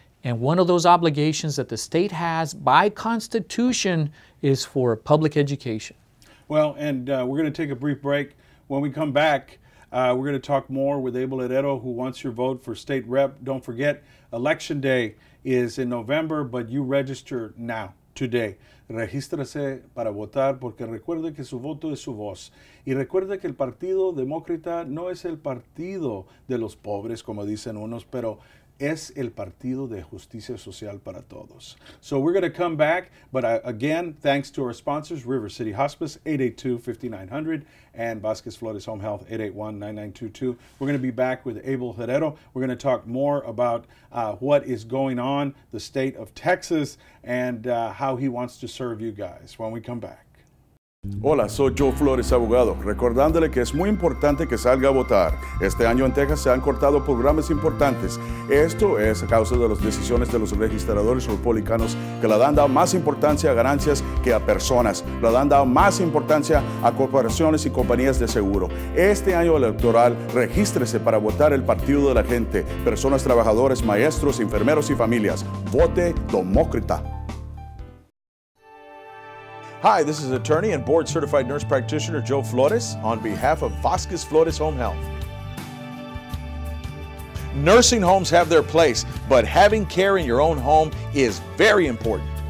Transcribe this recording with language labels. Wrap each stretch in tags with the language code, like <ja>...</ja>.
<en>And one of those obligations that the state has by constitution is for public education. Well, and we're gonna take a brief break. When we come back, we're gonna talk more with Abel Herrero, who wants your vote for state rep. Don't forget, Election Day is in November, but you register now, today.</en> <es>Regístrese para votar, porque recuerde que su voto es su voz. Y recuerde que el Partido Demócrata no es el partido de los pobres, como dicen unos, pero es el partido de justicia social para todos.</es> <en>So we're going to come back, but again, thanks to our sponsors, River City Hospice, 882-5900, and Vasquez Flores Home Health, 881-9922. We're going to be back with Abel Herrero. We're going to talk more about what is going on, the state of Texas, and how he wants to serve you guys when we come back.</en> <es>Hola, soy Joe Flores, abogado, recordándole que es muy importante que salga a votar. Este año en Texas se han cortado programas importantes. Esto es a causa de las decisiones de los legisladores republicanos que le han dado más importancia a ganancias que a personas. Le han dado más importancia a corporaciones y compañías de seguro. Este año electoral, regístrese para votar el partido de la gente, personas trabajadoras, maestros, enfermeros y familias. Vote demócrata.</es> <en>Hi, this is attorney and board-certified nurse practitioner Joe Flores on behalf of Vasquez Flores Home Health. Nursing homes have their place, but having care in your own home is very important.</en>